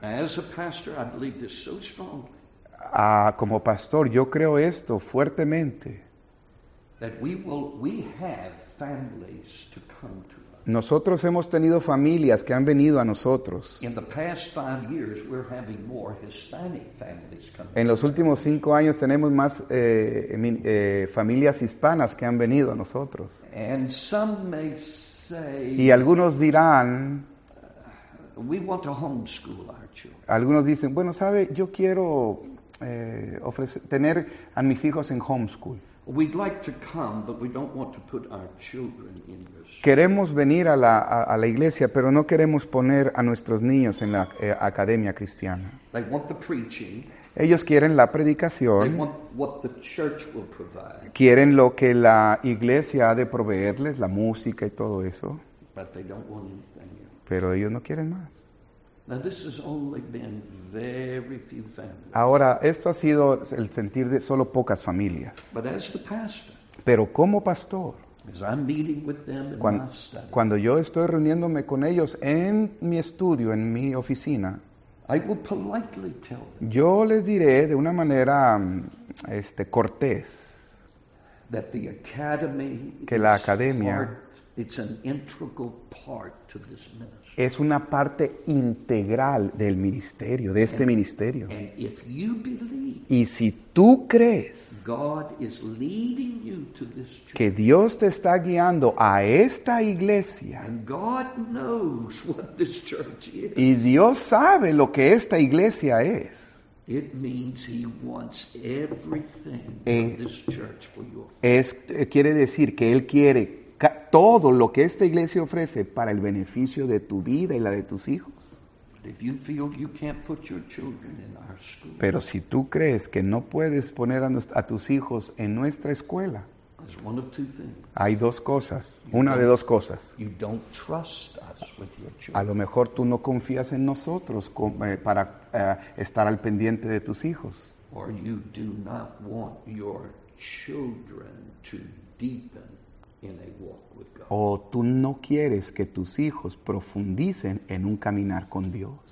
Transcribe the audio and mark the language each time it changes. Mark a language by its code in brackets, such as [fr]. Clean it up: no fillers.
[en] As a pastor, I believe this so strongly. [es] Como pastor, yo creo esto fuertemente. [en] That we have families to come to us. [es] Nosotros hemos tenido familias que han venido a nosotros. [en] In the past 5 years, we're having more Hispanic families coming. [es] En los últimos 5 años tenemos más familias hispanas que han venido a nosotros. [en] And some may say. [es] Y algunos dirán. [en] We want to homeschool our children. [es] Algunos dicen, bueno, sabe, yo quiero tener a mis hijos en homeschool. [en] We'd like to come, but we don't want to put our children in this. [es] Queremos venir a la iglesia, pero no queremos poner a nuestros niños en la academia cristiana. [en] They want the preaching. [es] Ellos quieren la predicación. [en] They want what the church will provide. [es] Quieren lo que la iglesia ha de proveerles, la música y todo eso. [en] But they don't want anything. [es] Pero ellos no quieren más. [en] Now, this has only been very few families. [es] Ahora, esto ha sido el sentir de solo pocas familias. [en] But as the pastor, [es] pero como pastor, [en] as I'm meeting with them in my study, [es] cuando yo estoy reuniéndome con ellos en mi estudio, en mi oficina, [en] I will politely tell them, [es] yo les diré de una manera cortés [en] that the academy [es] que la academia [en] it's an integral part to this ministry. [es] Es una parte integral del ministerio, de este ministerio. [en] And if you believe, [es] y si tú crees, [en] God is leading you to this church, [es] que Dios te está guiando a esta iglesia, [en] and God knows what this church is, [es] y Dios sabe lo que esta iglesia es. [en] It means he wants everything in this church for your faith. [es] Quiere decir que él quiere todo lo que esta iglesia ofrece para el beneficio de tu vida y la de tus hijos. [en] If you feel you can't put your children in our school, [es] pero si tú crees que no puedes poner a tus hijos en nuestra escuela, [en] there's one of two things. [es] Hay dos cosas, una de dos cosas. [en] You don't trust us with your children. [es] A lo mejor tú no confías en nosotros para estar al pendiente de tus hijos. [en] Or you do not want your children to deepen in a walk with God. [es] O tú no quieres que tus hijos profundicen en un caminar con Dios.